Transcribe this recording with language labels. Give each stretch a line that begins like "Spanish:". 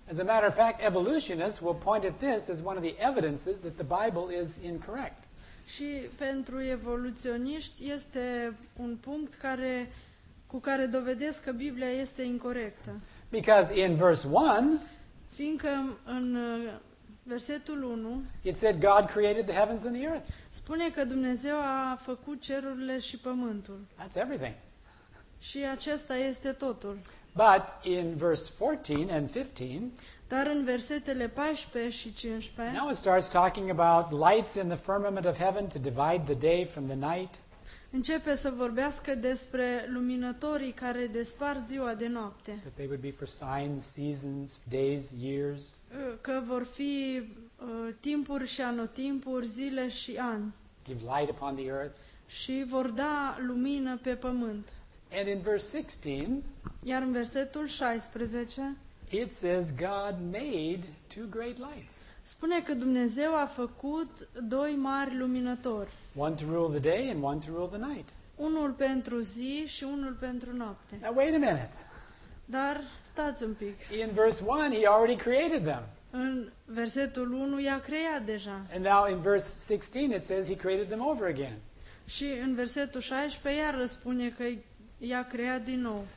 English: As a matter of fact, evolutionists will point at this as one of the evidences that the Bible is incorrect.
Romanian: Și pentru evoluționiști este un punct care, cu care dovedesc că Biblia este incorrectă.
English: Because in verse 1,
Romanian: fiindcă în versetul 1,
English: it said God created the heavens and the earth.
Romanian: Spune că Dumnezeu a făcut cerurile și pământul.
English: That's everything.
Romanian: Și acesta este totul.
English: But in verse 14 and 15,
Romanian: dar în versetele 14 și 15,
English: now it starts talking about lights in the firmament of heaven to divide the day from the night.
Romanian: Începe să vorbească despre luminătorii care despart ziua de noapte.
English: That they would be for signs, seasons, days, years.
Romanian: Că vor fi timpuri și anotimpuri, zile și ani.
English: Give light upon the earth.
Romanian: Și vor da lumină pe pământ.
English: And in verse 16,
Romanian: iar în versetul 16,
English: it says God made two great lights.
Romanian: Spune că Dumnezeu a făcut doi mari luminători.
English: One to rule the day and one to rule the night.
Romanian: Unul pentru zi și unul pentru noapte.
English: Now wait a minute.
Romanian: Dar stați un pic.
English: In verse 1 he already created them.
Romanian: În versetul 1 i-a creat deja.
English: And now in verse 16 it says he created them over again.
Romanian: Și în versetul 16 iar spune că i-a creat din nou.